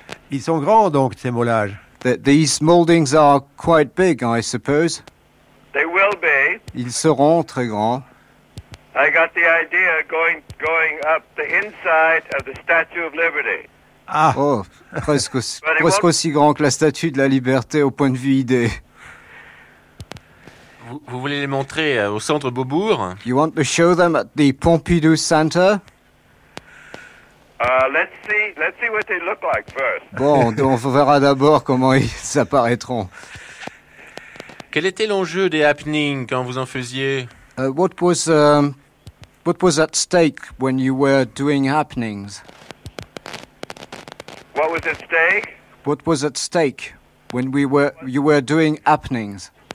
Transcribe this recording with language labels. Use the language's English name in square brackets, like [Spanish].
[French] Ils sont grands donc ces moulages. [English] These moldings are quite big, I suppose. They will be. [French] Ils seront très grands. [English] I got the idea going up the inside of the Statue of Liberty. Ah, [French] oh, presque aussi grand que la Statue de la Liberté au point de vue idée. Vous voulez les montrer au centre Beaubourg? [English] You want to show them at the Pompidou Center? Let's see what they look like first. [French] Bon, on verra d'abord comment ils apparaîtront. Quel était l'enjeu des happenings quand vous en faisiez? [English] What was at stake when you were doing happenings? What was at stake? What was at stake when you were doing happenings?